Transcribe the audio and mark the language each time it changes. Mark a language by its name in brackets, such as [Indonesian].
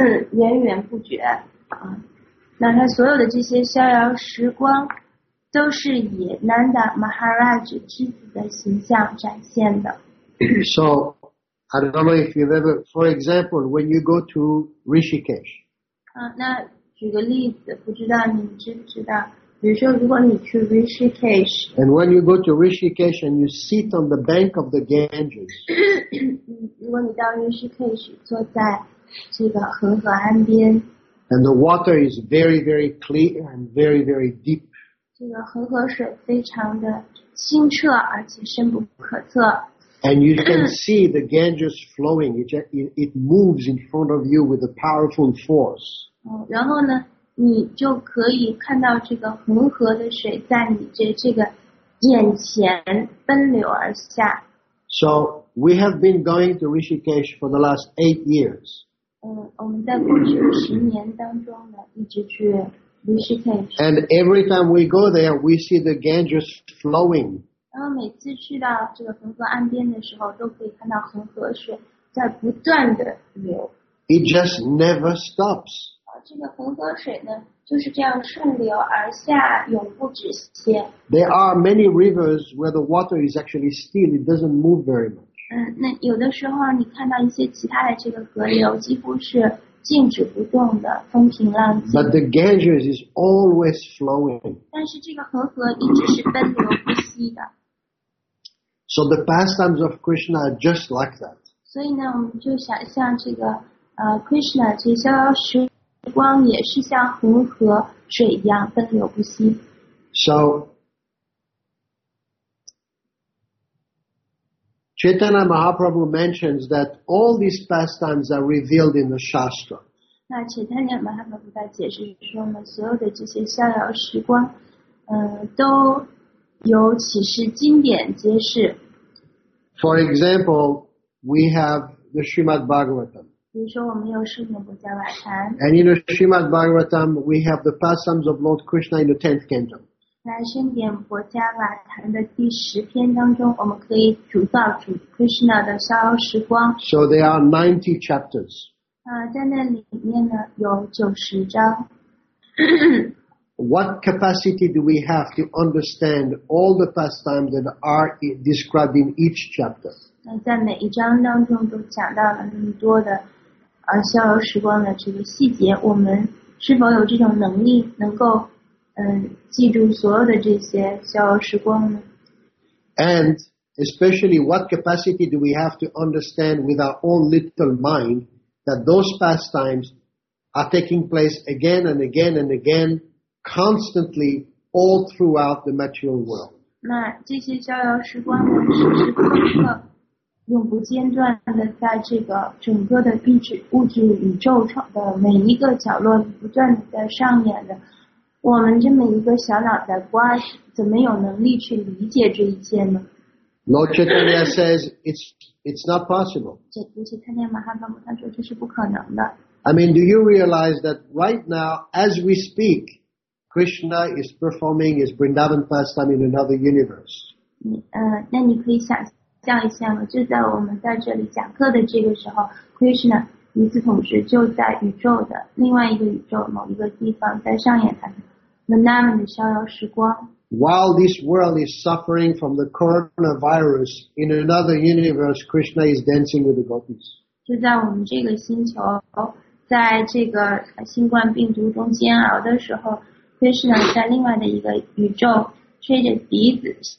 [Chinese] 源源不绝啊！那他所有的这些逍遥时光，都是以 Nanda Maharaj 妻子的形象展现的。 [English] So, I don't know if you've ever, for example, when you go to Rishikesh. [Chinese] 那举个例子，不知道你知不知道？比如说，如果你去 Rishikesh. [English] And when you go to Rishikesh and you sit on the bank of the Ganges. [Chinese] 如果你到 Rishikesh 坐在这个恒河岸边 [English] ，and the water is very very clear and very very deep. [Chinese] 这个恒河水非常的清澈，而且深不可测。 [English] And you can see the Ganges flowing; it moves in front of you with a powerful force. [Chinese] 然后呢，你就可以看到这个恒河的水在你这个眼前奔流而下。 [English] So we have been going to Rishikesh for the last 8 years. [Chinese] 我们在过去十年当中呢，一直去 Rishikesh. [English] And every time we go there, we see the Ganges flowing. [Chinese] 然后每次去到这个恒河岸边的时候，都可以看到恒河水在不断的流。 [English] It just never stops. [Chinese] 这个恒河水呢，就是这样顺流而下，永不止歇。 [English] There are many rivers where the water is actually still; it doesn't move very much. [Chinese] 那有的时候你看到一些其他的这个河流几乎是静止不动的风平浪静。 [English] But the Ganges is always flowing. [Chinese] 但是这个恒河一直是奔流不息的。 [English] So the pastimes of Krishna are just like that. [Chinese] 所以呢我们就想象这个Krishna 这逍遥时光也是像恒河水一样奔流不息。 [English] So,Chaitanya Mahaprabhu mentions that all these pastimes are revealed in the Shastra. [Chinese] 那 Chaitanya Mahaprabhu 在解释说呢，所有的这些逍遥时光，都由启示经典揭示。 [English] For example, we have the Srimad Bhagavatam. [Chinese] 比如说，我们有《圣严普加瓦坛》。 [English] And in the Srimad Bhagavatam, we have the pastimes of Lord Krishna in the 10th canto. [Chinese] 在圣典博加瓦坛的第十篇当中，我们可以读到主 Krishna 的逍遥时光。 [English] So there are 90 chapters. [Chinese] 在那里面呢有90章。 [English] What capacity do we have to understand all the pastimes that are described in each chapter? [Chinese] 在每一章当中都讲到了那么多的逍遥时光的这个细节，我们是否有这种能力能够？记住所有的这些逍遥时光呢 [English] ？And especially, what capacity do we have to understand with our own little mind that those pastimes are taking place again and again and again, constantly all throughout the material world? [Chinese] 那这些逍遥时光呢，时时刻刻永不间断的在这个整个的物质宇宙的每一个角落不断的在上演的。我们这么一个小脑袋瓜，怎么有能力去理解这一切呢 [English] ？Lord Chaitanya says it's not possible. [Chinese] 尤其看见马哈巴姆，他说这是不可能的。 [English] I mean, do you realize that right now, as we speak, Krishna is performing his Vrindavan pastime in another universe? [Chinese] 那你可以想象一下吗？就在我们在这里讲课的这个时候 ，Krishna 与此同时就在宇宙的另外一个宇宙某一个地方在上演他的 Vrindavan 的逍遥时光。 [English] While this world is suffering from the coronavirus, in another universe, Krishna is dancing with the gopis. [Chinese] 就在我们这个星球，在这个新冠病毒中煎熬的时候 ，Krishna 在另外的一个宇宙吹着笛子。